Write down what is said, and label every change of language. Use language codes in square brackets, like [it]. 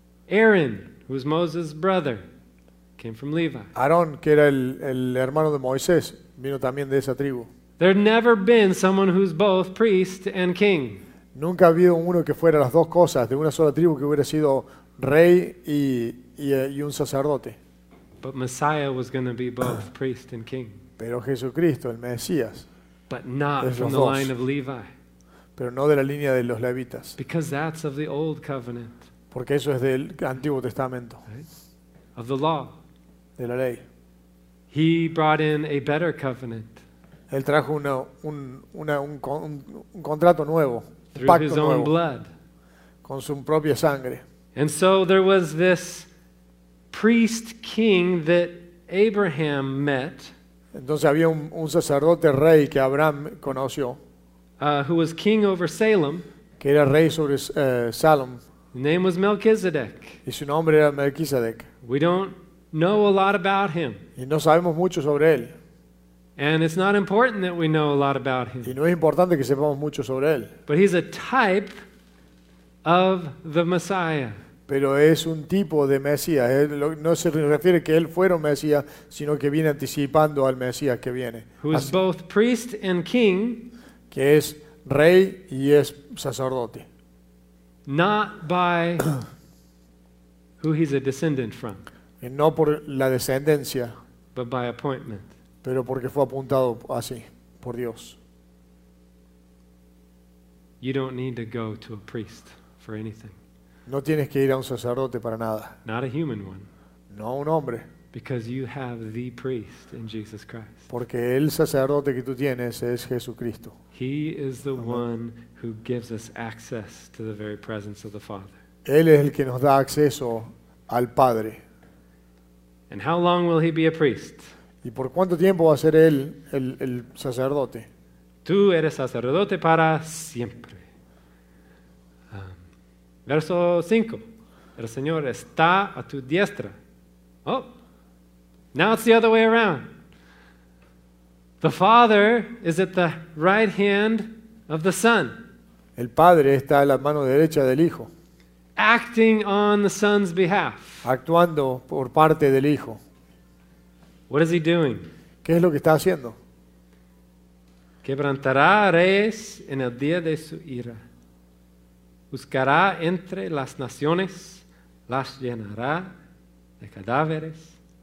[en] Aaron, who was Moses' brother, came from Levi. [es] Aarón, que era el hermano de Moisés, vino también de esa tribu. [en] There had never been someone who's both priest and king. [es] Nunca ha habido uno que fuera las dos cosas, de una sola tribu, que hubiera sido rey y un sacerdote. [en] But Messiah was going to be both priest and king. [es] Pero Jesucristo, el Mesías, [en] but not [es] es [en] from [es] los [en] the [es] dos. [en] Line of Levi. [es] Pero no de la línea de los levitas. [en] Because that's of the old covenant. [es] Porque eso es del Antiguo Testamento. [en] Right? Of the law. [es] De la ley. [en] He brought in a better covenant. [es] Él trajo un contrato nuevo, [en] through [es] pacto [en] his [es] nuevo, [en] own blood. [es] Con su propia sangre. [en] And so there was this priest-king that Abraham met. [es] Entonces había un sacerdote rey que Abraham conoció. [en] Who was king over Salem. [es] Que era rey sobre Salem. [en] His name was Melchizedek. [es] Y su nombre era Melchizedek. [en] We don't know a lot about him. [es] Y no sabemos mucho sobre él. [en] And it's not important that we know a lot about him. [es] Y no es importante que sepamos mucho sobre él. [en] But he's a type of the Messiah. [es] Pero es un tipo de Mesías. No se refiere que él fuera un Mesías, sino que viene anticipando al Mesías que viene. [en] Who is both priest and king. [es] Que es rey y es sacerdote. [en] Not by who he's a descendant from. [es] Y no por la descendencia. [en] But by appointment. [es] Pero porque fue apuntado así, por Dios. [en] You don't need to go to a priest for anything. [es] No tienes que ir a un sacerdote para nada. [en] Not a human one. [es] No a un hombre. [en] Because you have the priest in Jesus Christ. [es] Porque el sacerdote que tú tienes es Jesucristo. [en] He is the one who gives us access to the very presence of the Father. [es] Él es el que nos da acceso al Padre. [en] And how long will he be a priest? [es] ¿Y por cuánto tiempo va a ser él el sacerdote? Tú eres sacerdote para siempre. Verso 5. El Señor está a tu diestra. [en] Oh, now it's the other way around. The Father is at the right hand of the Son. [es] El Padre está a la mano derecha del Hijo. [en] Acting on the Son's behalf. [es] Actuando por parte del Hijo. [en] What is he doing? [es] ¿Qué es lo que está haciendo? Quebrantará reyes en el día de su ira. Buscará entre las naciones, las llenará de cadáveres.